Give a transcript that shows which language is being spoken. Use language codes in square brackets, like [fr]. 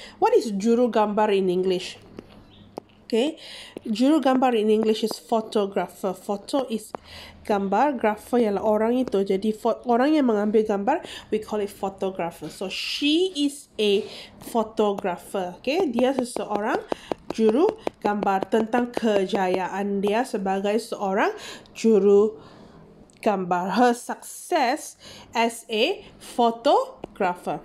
[en] What is juru gambar in English? Okay, juru gambar in English is photographer. Photo is gambar, grapher ialah orang itu. [ms] Jadi orang yang mengambil gambar, [en] we call it photographer. So she is a photographer. [ms] Okay, dia seseorang juru gambar tentang kejayaan dia sebagai seorang juru gambar. [en] Her success as a photographer.